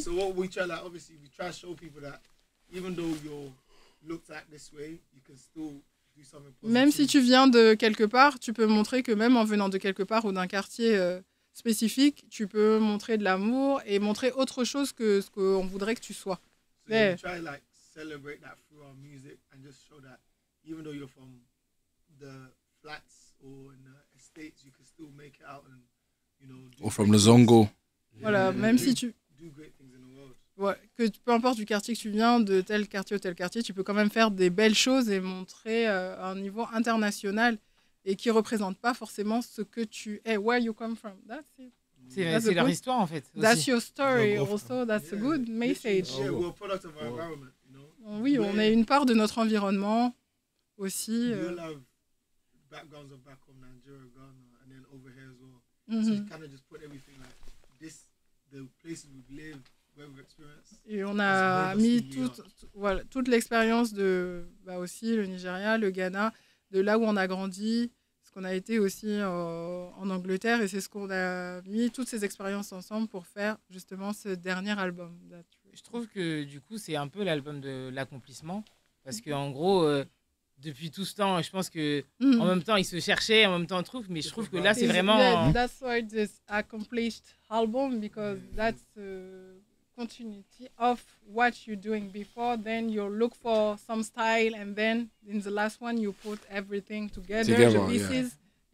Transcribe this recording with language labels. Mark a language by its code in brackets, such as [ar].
[en] So what we try, like, obviously, we try to show people that even though you're looked at this way, you can still... [fr] Même si tu viens de quelque part, tu peux montrer que même en venant de quelque part ou d'un quartier spécifique, tu peux montrer de l'amour et montrer autre chose que ce qu'on voudrait que tu sois. So mais... [en] you try like celebrate that through our music and just show that even though you're from the flats or in the estates, you can still make it out and you know. Or from the Zongo. [fr] Voilà, même si tu. [en] Do great things in the world. [fr] Ouais, que peu importe du quartier que tu viens, de tel quartier ou tel quartier, tu peux quand même faire des belles choses et montrer un niveau international et qui ne représente pas forcément ce que tu es. [en] Where you come from, that's it. [fr] C'est leur histoire en fait. Aussi. [en] That's your story also, that's a good message. Yeah, we're a product of our environment, you know. [fr] Oui, on est une part de notre environnement aussi. [en] We'll have backgrounds of back home, Nigeria, Ghana, and then over here as well. Mm-hmm. So you kind of just put everything like this, the places we've lived. [fr] Et on a mis toute l'expérience de bah aussi le Nigeria, le Ghana, de là où on a grandi, ce qu'on a été aussi en Angleterre, et c'est ce qu'on a mis toutes ces expériences ensemble pour faire justement ce dernier album. Je trouve que du coup c'est un peu l'album de l'accomplissement, parce que en gros depuis tout ce temps, je pense que en même temps ils se cherchaient, en même temps ils trouvent, mais je trouve que là c'est vraiment. [en] That's why this accomplished album because that's continuity of what you're doing before, then you look for some style, and then in the last one you put everything together the pieces, yeah.